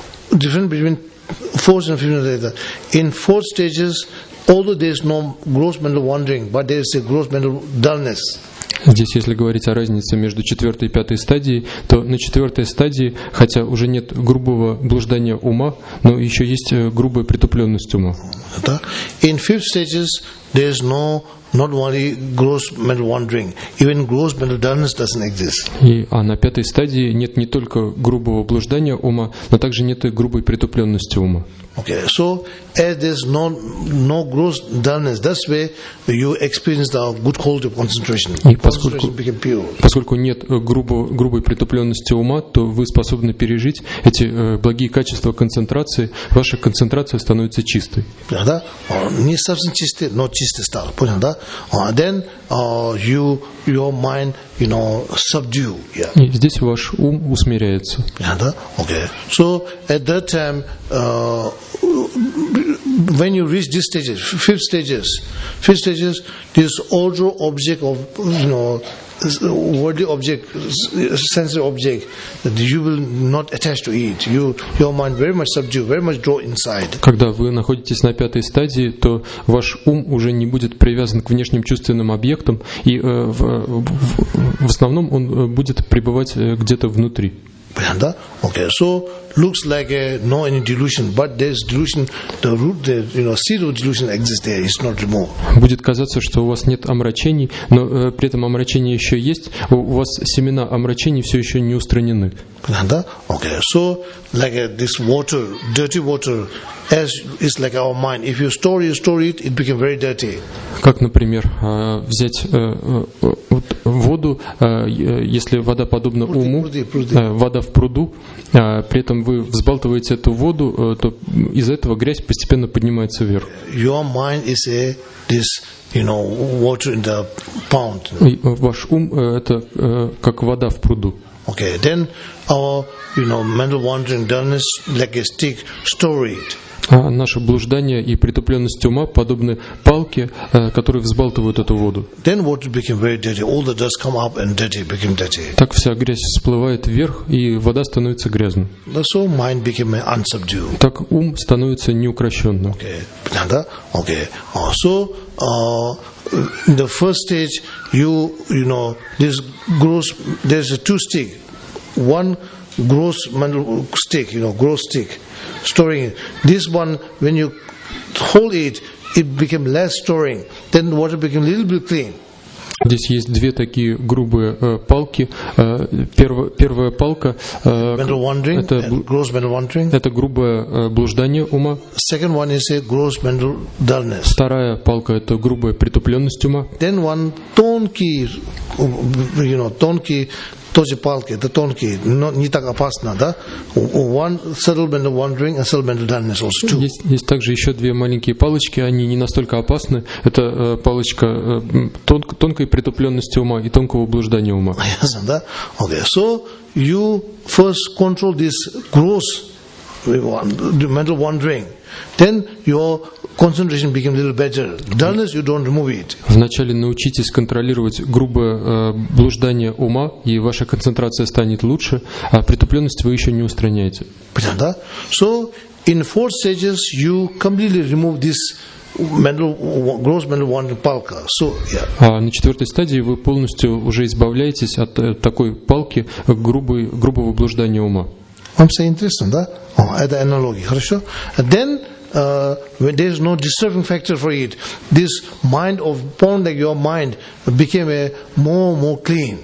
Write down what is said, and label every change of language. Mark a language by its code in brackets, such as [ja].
[en] Different between fourth and fifth stage. In fourth stages, although there is no gross mental wandering, but there is a gross mental dullness. [ru] Здесь, если говорить о разнице между четвертой и пятой стадией, то на четвертой стадии, хотя уже нет грубого блуждания ума, но еще есть грубая притупленность ума. [en] In fifth stages, there is no not only gross mental wandering, even gross mental dullness doesn't exist. [ru] А на пятой стадии нет не только грубого блуждания ума, но также нет и грубой притупленности ума. [en] Okay, so as there's no gross dullness, that's where you experience the good quality of concentration. [ru] Поскольку нет грубой притупленности ума, то вы способны пережить эти благие качества концентрации, ваша концентрация становится чистой. Да, не совсем чистой, но чистой стала, понял, да? [en] Then your mind, you know, subdue. Yeah. [ru] И здесь ваш ум усмиряется. Да, [en] okay. So at that time, when you reach this stages, fifth stages, this outer object of, you know, worldly object, sensory object, that you will not attach to it. Your mind very much subdued, very much draw inside. [ru] Когда вы находитесь на пятой стадии, то ваш ум уже не будет привязан к внешним чувственным объектам, и в основном он будет пребывать где-то внутри. Да? [en] Okay. So looks like no any delusion, but there's delusion. The root, the you know, seed of delusion exists there. It's not removed. [ru] Будет казаться, что у вас нет омрачений, но при этом омрачения еще есть. У вас семена омрачений все еще не устранены. Да? [en] Okay. So like this water, dirty water, as is like our mind. If you store it, it becomes very dirty. [ru] Как, например, взять воду, если вода подобна уму, вода в пруду, при этом вы взбалтываете эту воду, то из-за этого грязь постепенно поднимается вверх. [en] Your mind is this, you know, water in the pond. [ru] Ваш ум это как вода в пруду. [en] Okay, then our, you know, mental wandering dullness like a stick, store it. [ru] А наше блуждание и притупленность ума подобны палке, которые взбалтывают эту воду. [en] Then water became very dirty. All the dust come up and dirty became dirty. [ru] Так вся грязь всплывает вверх, и вода становится грязной. [en] That's all mind became unsubdued. [ru] Так ум становится неукрощенным. [en] Okay. Okay. So, in the first stage, you know, this gross, there's a two stick. One gross mental stick, you know, gross stick, storing it. This one, when you hold it, it became less storing. Then the water became a little bit clean. [ru] Здесь есть две такие грубые палки. Первая палка это грубое блуждание ума. [en] Second one is a gross mental dullness. [ru] Вторая палка это грубая притупленность ума. [en] Then one [ru] тонкий, [en] you know, тонкий. [ru] Тоже палки, это тонкие, но не так опасно, да? [en] One subtle mental wandering and subtle mental dullness also two. [ru] Есть также еще две маленькие палочки, они не настолько опасны. Это палочка тонкой притупленности ума и тонкого блуждания ума. Ясно, да? [en] Okay. So you first control this gross mental wandering. Then your concentration became a little better. Dullness, you don't remove it. [ru] Вначале научитесь контролировать грубое блуждание ума, и ваша концентрация станет лучше, а притупленность вы еще не устраняете. Да? [en] So in four stages you completely remove this gross mental wandering palka. So yeah. [ru] А на четвертой стадии вы полностью уже избавляетесь от такой палки грубого блуждания ума. [en] I'm saying interesting, [ru] да? Это аналогия, хорошо? [en] Then when there is no disturbing factor for it, this mind of pond like your mind became more clean.